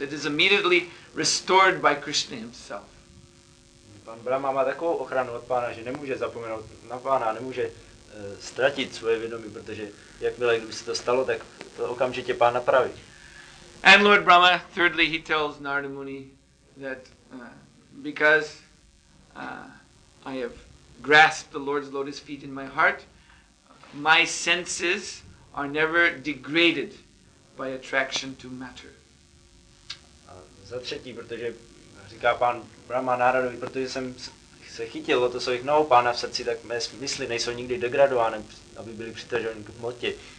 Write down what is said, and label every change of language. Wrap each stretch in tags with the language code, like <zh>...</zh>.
<en>It is immediately restored by Krishna himself.</en> <cs>Pan Brahma má takovou ochranu od pána, že nemůže zapomenout na pána, nemůže ztratit svoje vědomí, protože jakmile kdyby se to stalo, tak to okamžitě pán napraví.</cs> <en>And Lord Brahma, thirdly, he tells Narada Muni that because I have grasped the Lord's lotus feet in my heart, my senses are never degraded by attraction to matter.</en> <cs>A za třetí, protože říká pán Brahma Náradovi, protože jsem se chytil lotosových nohou pána v srdci, tak mé mysli nejsou nikdy degradované, aby byly přitaženy k hmotě.</cs>